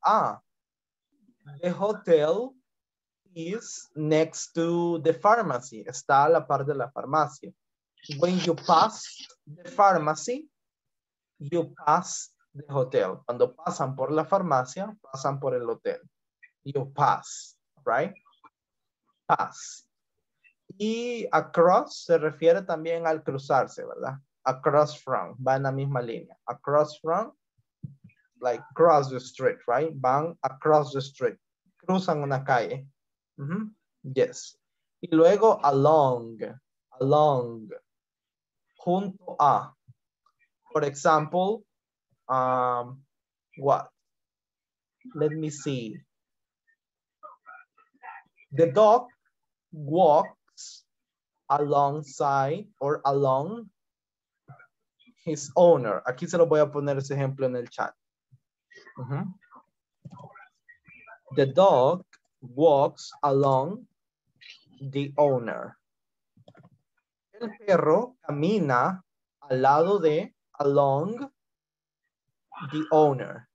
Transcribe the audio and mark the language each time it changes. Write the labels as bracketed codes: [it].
[en] Ah, the hotel is next to the pharmacy. [es] Está a la par de la farmacia. [en] When you pass the pharmacy, you pass the hotel. [es] Cuando pasan por la farmacia, pasan por el hotel. [en] You pass, right? Pass. [es] Y across se refiere también al cruzarse, ¿verdad? [en] Across from, [es] va en la misma línea. [en] Across from, like cross the street, right? [es] Van [en] across the street. [es] Cruzan una calle. Mm-hmm. Yes. Y luego along, junto a. [en] For example, what? Let me see. The dog walks alongside or along his owner. [es] Aquí se lo voy a poner ese ejemplo en el chat. Mm-hmm. [en] The dog walks along the owner. [es] El perro camina al lado de, [en] along the owner.